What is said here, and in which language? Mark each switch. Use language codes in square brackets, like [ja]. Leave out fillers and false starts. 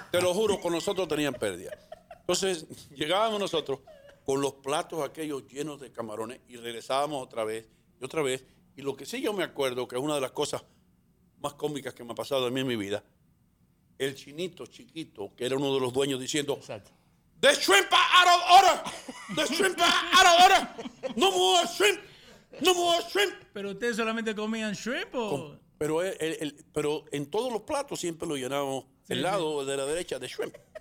[es] Te lo juro, con nosotros tenían pérdida. Entonces llegábamos nosotros con los platos aquellos llenos de camarones y regresábamos otra vez y otra vez. Y lo que sí yo me acuerdo, que es una de las cosas más cómicas que me ha pasado a mí en mi vida, el chinito chiquito, que era uno de los dueños, diciendo, exacto, [en] the shrimp are out of order, the shrimp are out of order, no more shrimp, no more shrimp. [es] ¿Pero ustedes solamente comían shrimp o...? Pero en todos los platos siempre lo llenábamos, sí, el lado, sí, de la derecha, de shrimp.